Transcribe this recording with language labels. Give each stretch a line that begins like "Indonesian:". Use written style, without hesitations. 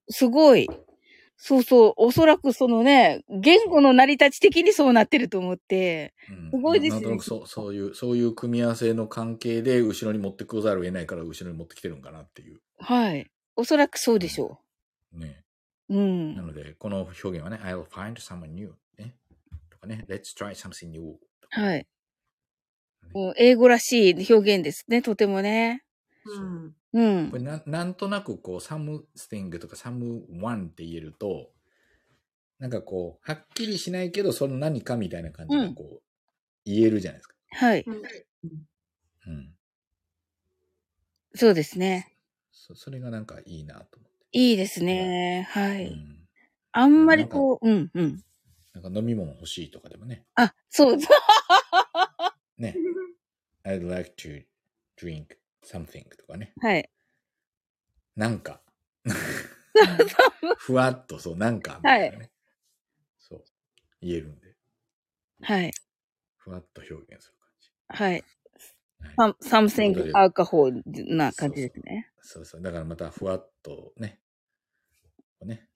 Japanese: すごい、そうそう、おそらくそのね、言語の成り立ち的にそうなってると思って、うん、すごいですね。なんとなく そういう組み合わせの関係で後ろに持ってくざるを得ないから後ろに持ってきてるんかなっていう。はい。おそらくそうでしょう。うん、ね、うん。なので、この表現はね、
English: I'll find someone new、
Japanese: ね、とかね、
English: Let's try something new。
Japanese: はい。ね、英語らしい表現ですね、とてもね。うん。うん、これ なんとなくこう something とか someone って言えるとなんかこうはっきりしないけどその何かみたいな感じでこう、うん、言えるじゃないですか。はい、うん、そうですね。それがなんかいいなと思って。いいですね。はい、うん、あんまりこう、うんうん、なんか飲み物欲しいとかでもね。あ、そうだね。
English: I'd like to drinkSomething とかね。
Japanese: はい。なんか。ふわっとそう、なんかみたいなね。はい。そう。言えるんで。はい。ふわっと表現する感じ。はい。
English: Something alcohol
Japanese: な感じですね。そうそう。だからまたふわっとね。ね。